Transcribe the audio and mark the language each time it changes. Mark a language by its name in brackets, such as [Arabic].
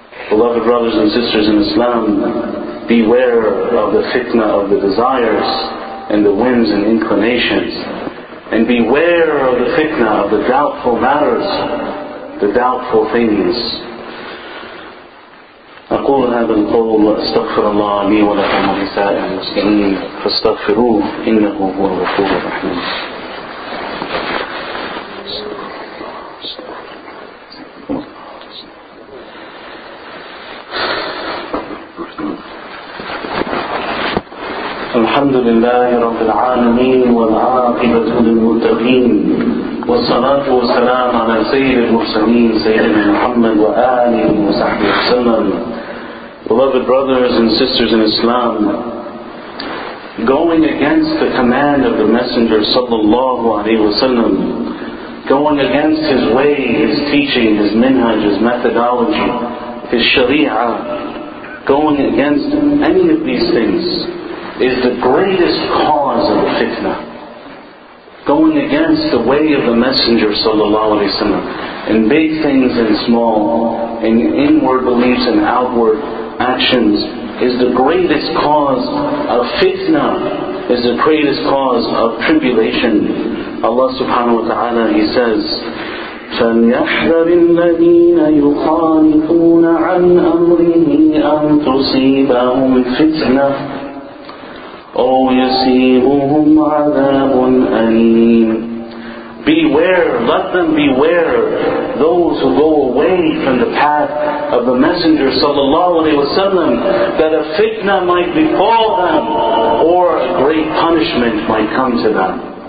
[English] Beloved brothers and sisters in Islam, beware of the fitna of the desires and the whims and inclinations. And beware of the fitna of the doubtful matters, the doubtful things. [Arabic] أقول هذا القول استغفر الله لي ولكم ولسائر المسلمين فاستغفروه إنه هو الغفور الرحيم. الحمد لله رب العالمين والعاقبة للمتقين والصلاة والسلام على سيد المرسلين سيدنا محمد وآله وصحبه وسلم. [English] Beloved brothers and sisters in Islam, going against the command of the Messenger sallallahu alaihi wasallam, going against his way, his teaching, his minhaj, his methodology, his sharia, going against any of these things is the greatest cause of fitna. Going against the way of the Messenger sallallahu alaihi wasallam, in big things and small, in inward beliefs and outward actions, is the greatest cause of fitna, is the greatest cause of tribulation. [Arabic] Allah subhanahu wa ta'ala, [English] He says, [Arabic] فَلْيَحْذَرِ الَّذِينَ يُخَالِفُونَ عَنْ أَمْرِهِ أَنْ تُصِيبَهُمْ فِتْنَةٌ أَوْ يُصِيبُهُمْ عَذَابٌ أَلِيمٌ. [English] Beware, let them beware, those who go away from the path of the Messenger sallallahu alaihi wasallam, that a fitna might befall them or a great punishment might come to them.